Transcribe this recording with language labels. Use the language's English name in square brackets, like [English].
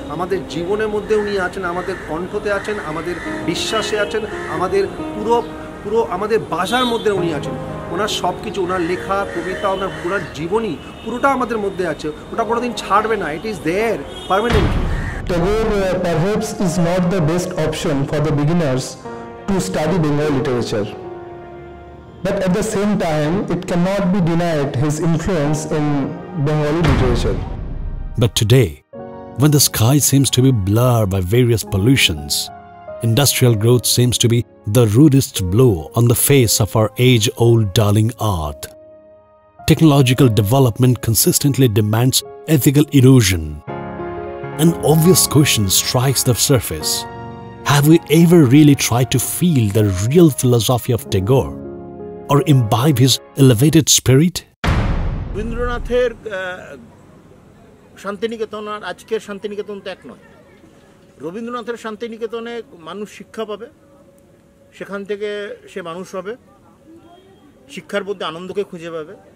[Bangla] আমাদের জীবনের মধ্যে উনি আছেন, আমাদের কণ্ঠতে আছেন, আমাদের বিশ্বাসে আছেন, আমাদের পুরো আমাদের বাসার মধ্যে উনি আছেন. ওনার সব কিছু, ওনার লেখা, কবিতা, ওনার পুরো জীবনই পুরোটা আমাদের মধ্যে আছে. ওটা কোনোদিন ছাড়বে না, [English] It is there permanently. Tagore perhaps is not the best option for the beginners to study Bengal literature. But at the same time, it cannot be denied his influence in Bengali literature. But today, when the sky seems to be blurred by various pollutions, industrial growth seems to be the rudest blow on the face of our age-old darling earth. Technological development consistently demands ethical erosion. An obvious question strikes the surface. Have we ever really tried to feel the real philosophy of Tagore? Or imbibe his elevated spirit? [Bangla] Rabindranathের Santiniketan আর আজকের শান্তিনিকেতন তো এক নয়. রবীন্দ্রনাথের শান্তিনিকেতনে মানুষ শিক্ষা পাবে, সেখান থেকে সে মানুষ হবে, শিক্ষার মধ্যে আনন্দকে খুঁজে পাবে.